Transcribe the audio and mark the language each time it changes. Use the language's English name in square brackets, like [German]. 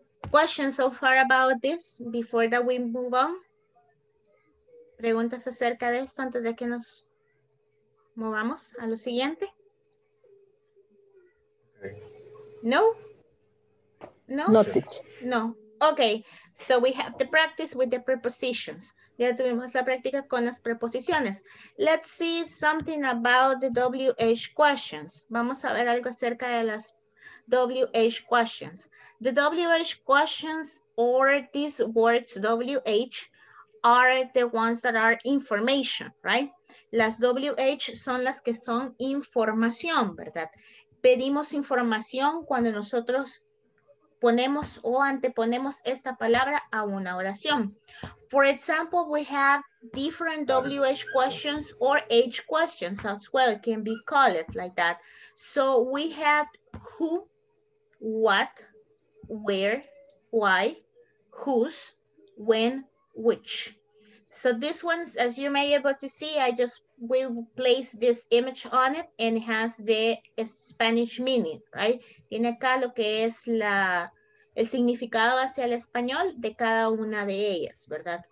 [English] Questions so far about this before that we move on? [Spanish] Preguntas acerca de esto antes de que nos... Movamos a lo siguiente. [English] No? No? No. Okay. So we have the practice with the prepositions. [Spanish] Ya tuvimos la práctica con las preposiciones. [English] Let's see something about the WH questions. [Spanish] Vamos a ver algo acerca de las WH questions. [English] The WH questions or these words WH are the ones that are information, right? [Spanish] Las WH son las que son información, ¿verdad? Pedimos información cuando nosotros ponemos o anteponemos esta palabra a una oración. [English] For example, we have different WH questions or H questions as well. It can be called like that. So we have who, what, where, why, whose, when, which. So this one, as you may be able to see, I just will place this image on it and it has the Spanish meaning, right? [Spanish] Tiene acá lo que es la, el significado hacia el español de cada una de ellas, ¿verdad?